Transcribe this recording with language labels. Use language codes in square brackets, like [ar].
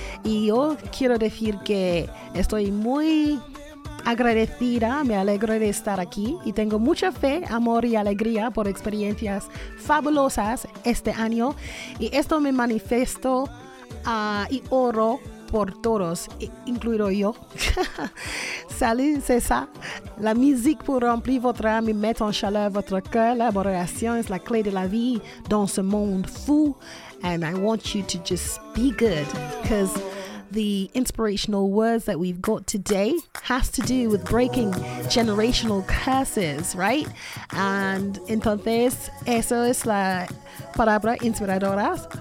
[es] Y yo quiero decir que estoy muy agradecida, me alegro de estar aquí y tengo mucha fe, amor y alegría por experiencias fabulosas este año. Y esto me manifiesto y oro por todos, incluido yo. [fr] Salud, c'est ça. La musique pour remplir votre âme et mettre en chaleur votre cœur. La collaboration est la clé de la vie dans ce monde fou. [en] And I want you to just be good, because the inspirational words that we've got today has to do with breaking generational curses, right? [es] And entonces, eso es la palabra inspiradora.